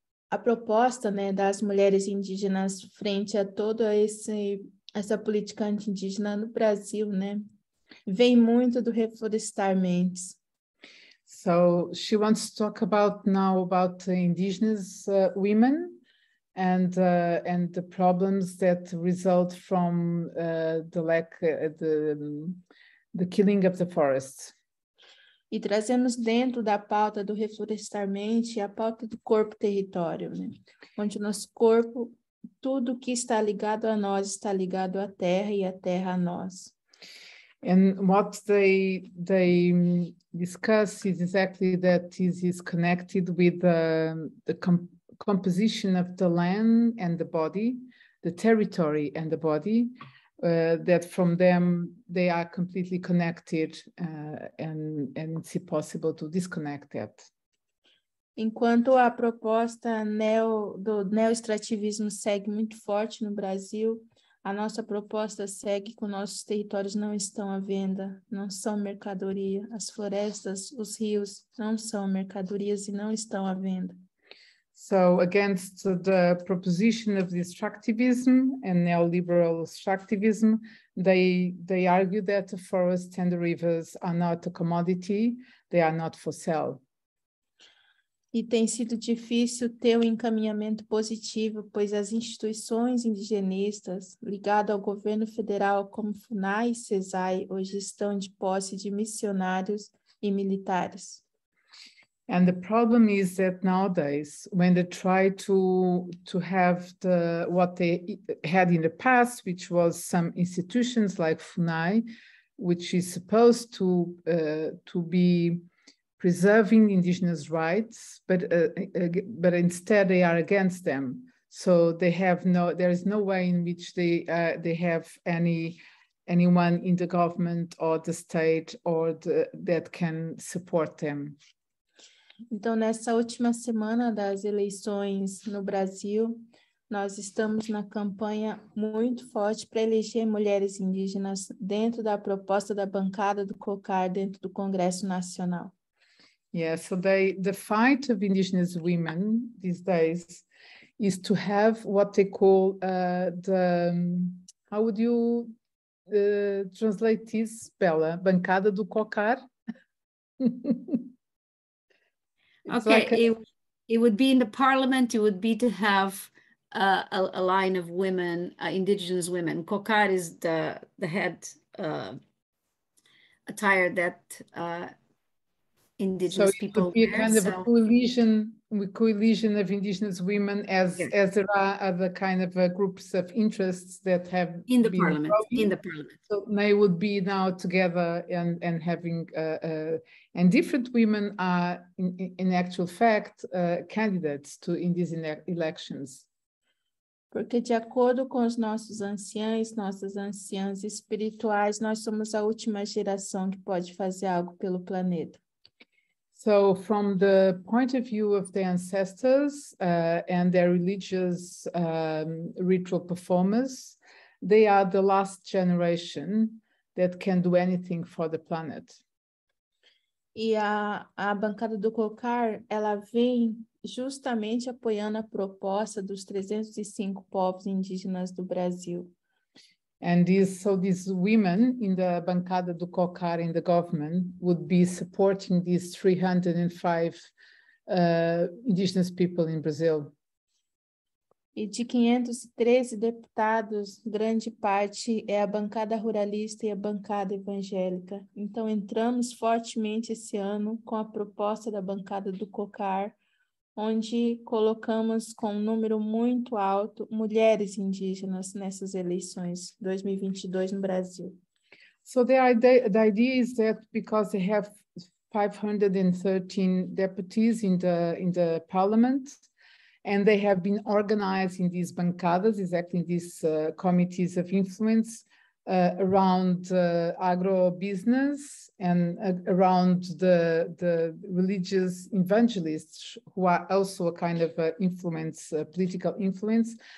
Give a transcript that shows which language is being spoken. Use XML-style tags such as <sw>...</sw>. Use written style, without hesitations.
<pt>A proposta, né, das mulheres indígenas frente a toda essa política anti-indígena no Brasil, né, vem muito do reflorestar mentes.</pt> <en>So she wants to talk about indigenous women and the problems that result from the killing of the forests.</en> <pt>E trazemos dentro da pauta do reflorestar mente a pauta do corpo-território, né? Onde o nosso corpo, tudo que está ligado a nós, está ligado à terra e à terra a nós.</pt> <en>And what they discuss is exactly that this is connected with the composition of the land and the body, the territory and the body. That from them they are completely connected and it's impossible to disconnect that.</en> <pt>Enquanto a proposta do neo-extrativismo segue muito forte no Brasil, a nossa proposta segue que nossos territórios não estão à venda, não são mercadoria. As florestas, os rios não são mercadorias e não estão à venda.</pt> <en>So against the proposition of the extractivism and neoliberal extractivism, they argue that the forests and the rivers are not a commodity, they are not for sale.</en> <pt>E tem sido difícil ter encaminhamento positivo, pois as instituições indigenistas ligadas ao governo federal, como FUNAI e CESAI, hoje estão de posse de missionários e militares.</pt> <en>And the problem is that nowadays, when they try to have what they had in the past, which was some institutions like FUNAI, which is supposed to be preserving indigenous rights, but instead they are against them. So they have there is no way in which they have anyone in the government or the state or that can support them.</en> <pt>Então, nessa última semana das eleições no Brasil, nós estamos na campanha muito forte para eleger mulheres indígenas dentro da proposta da bancada do COCAR dentro do Congresso Nacional.</pt> <en>Yeah, so the fight of indigenous women these days is to have what they call how would you translate this, Bela?</en> <pt>Bancada do COCAR?</pt> <en>Okay, it would be in the parliament, it would be to have a line of women, indigenous women. COCAR is the head attire that indigenous so people wear. So it would be wear, a kind of a coalition of indigenous women as there are other kind of groups of interests that have in the parliament. In the parliament. So they would be now together and having, and different women are in actual fact candidates to in these elections.</en> <pt>Porque de acordo com os nossos anciãs, nossas anciãs espirituais, nós somos a última geração que pode fazer algo pelo planeta.</pt> <en>So from the point of view of the ancestors and their religious ritual performers, they are the last generation that can do anything for the planet.</en> <pt>E a bancada do COCAR, ela vem justamente apoiando a proposta dos 305 povos indígenas do Brasil.</pt> <en>And these women in the bancada do COCAR in the government would be supporting these 305 indigenous people in Brazil.</en> <pt>E de 513 deputados, grande parte é a bancada ruralista e a bancada evangélica. Então entramos fortemente esse ano com a proposta da bancada do COCAR, onde colocamos com um número muito alto mulheres indígenas nessas eleições 2022 no Brasil.</pt> <en>So the idea is that because they have 513 deputies in the parliament, and they have been organized in these bancadas, exactly in these committees of influence around agro-business and around the religious evangelists, who are also a kind of influence, political influence.</en>